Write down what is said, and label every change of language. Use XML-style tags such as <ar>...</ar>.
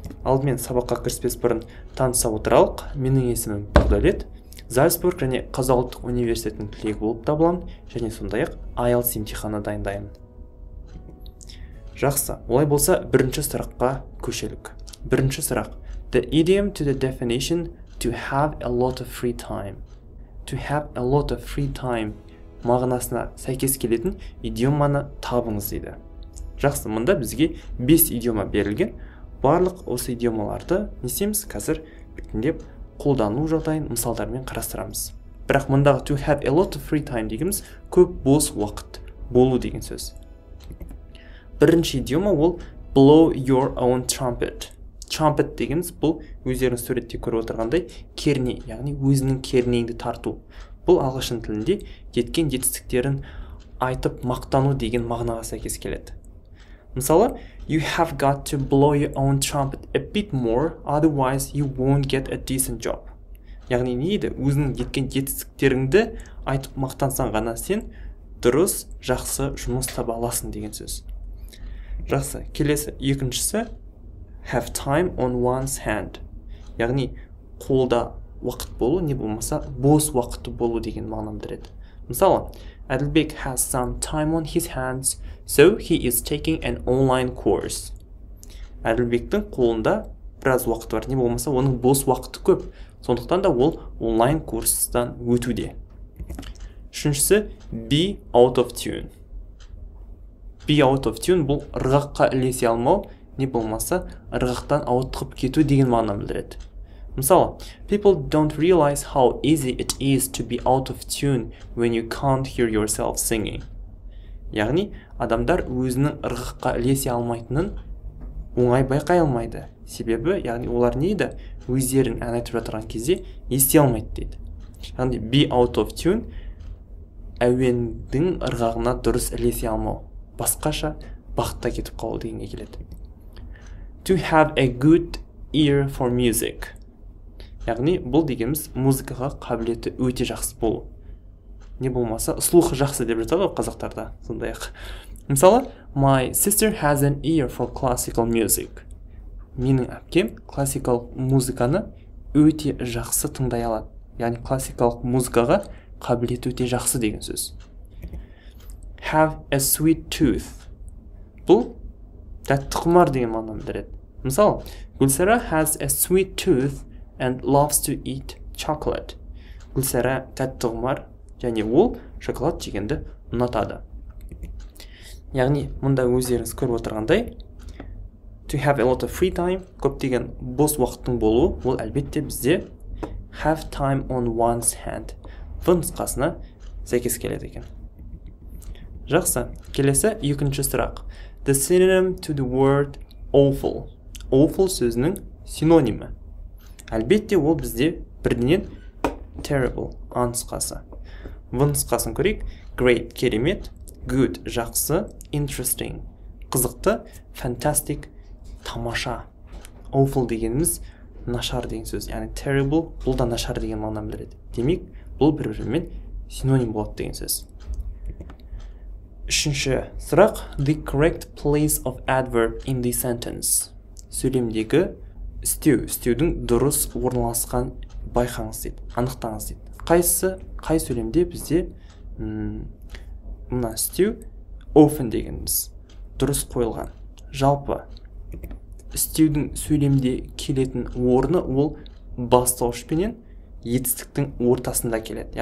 <kk>Алдымен сабаққа кіріспес бұрын таныса отыралық. Менің есімім Бақдәулет. Зальцбург және Қазақ ұлттық университетінің түлегі болып табыламын және сондай-ақ IELTS емтиханына дайындаймын. Жақсы, олай болса бірінші сұраққа көшелік. Бірінші сұрақ.</kk> <en>The idiom to the definition to have a lot of free time. To have a lot of free time</en> <kk>мағынасына сәйкес келетін идиоманы табыңыз дейді. Жақсы, мұнда бізге 5 идиома берілген. Барлық осы идиомаларды несеміз қазір біртіндеп қолдану жағдайын мысалдармен қарастырамыз. Бірақ мұндағы</kk> <en>to have a lot of free time</en> <kk>дегеніміз көп бос уақыт болу деген сөз. Бірінші идиома ол blow your own trumpet. Trumpet дегеніміз бұл өздеріңіз суретте көріп отырғандай керней, яғни өзінің кернейінді тарту. Бұл ағылшын тілінде жеткен жетістіктерін айтып мақтану деген мағынаға сәйкес келеді.</kk> <en>Мысалы, you have got to blow your own trumpet a bit more, otherwise you won't get a decent job.</en> <kk>Яғни не дейді, өзінің жеткен жетістіктеріңді айтып мақтансаң ғана сен дұрыс, жақсы жұмыс таба аласың деген сөз. Жақсы, келесі, екіншісі have time on one's hand. Яғни қолда уақыт болу не болмаса бос уақыты болу деген мағынаны береді.</kk> <en>Мысалы, Adelbek has some time on his hands, so he is taking an online course.</en> <kk>Adelbek-тің қолында біраз уақыты бар, не болмаса оның бос уақыты көп. Сондықтан да ол онлайн курстан өтуде. Үшіншісі, be out of tune. Be out of tune бұл ырғаққа ілесе алмау, не болмаса ырғақтан ауытқып кету деген мағынаны білдіреді.</kk> <en>Мысалы, people don't realize how easy it is to be out of tune when you can't hear yourself singing.</en> <kk>Яғни, адамдар өзінің ырғаққа ілесе алмайтынын оңай байқай алмайды. Себебі, яғни олар не дейді, өздерін ән айтып жатырған кезде есте алмайды дейді. Яғни, be out of tune әуендің ырғағына дұрыс ілесе алмау, басқаша бақытта кетіп қалу дегенге келеді.</kk> <en>To have a good ear for music.</en> <kk>Яғни бұл дегеніміз музыкаға қабілеті өте жақсы болу. Не болмаса, слухы жақсы деп жатады ғой қазақтарда. Сондай-ақ.</kk> <en>Мысалы, my sister has an ear for classical music.</en> <kk>Менің әпкем классикалық музыканы өте жақсы тыңдай алады. Яғни классикалық музыкаға қабілеті өте жақсы деген сөз.</kk> <en>Have a sweet tooth.</en> <kk>Бұл тәтті құмар деген мағынаны білдіреді.</kk> <en>Мысалы, Гүлсара has a sweet tooth and loves to eat chocolate.</en> <kk>Гүлсара тәтті құмар және ол шоколад жегенді ұнатады. Яғни, мұнда өздеріңіз көріп отырғандай,</kk> <en>to have a lot of free time,</en> <kk>көптеген бос уақыттың болуы, ол әлбетте бізде</kk> <en>have time on one's hand.</en> <kk>Нұсқасына сәйкес келеді екен. Жақсы, келесі екінші сұрақ.</kk> <en>The synonym to the word awful.</en> <kk>Awful сөзінің синонимі. Әлбетте ол бізде бірінен terrible анысқасы. Вынысқасын көрек. Great керемет. Good жақсы. Interesting қызықты. Fantastic тамаша. Awful дегеніміз нашар деген сөз. Яғни terrible бұл да нашар деген мағынан білдіреді. Демек бұл бір-бірімен синоним болады деген сөз. Үшінші сұрақ.</kk> <en>The correct place of adverb in the sentence.</en> <kk>Сөйлемдегі істеу, істеудің дұрыс орналасқан байқаңыз дейді, анықтаңыз дейді. Қайсы, қай сөйлемде бізде мына істеу often дегеніміз дұрыс қойылған. Жалпы, істеудің сөйлемде келетін орны ол бастауыш пенен етістіктің ортасында келеді.</kk>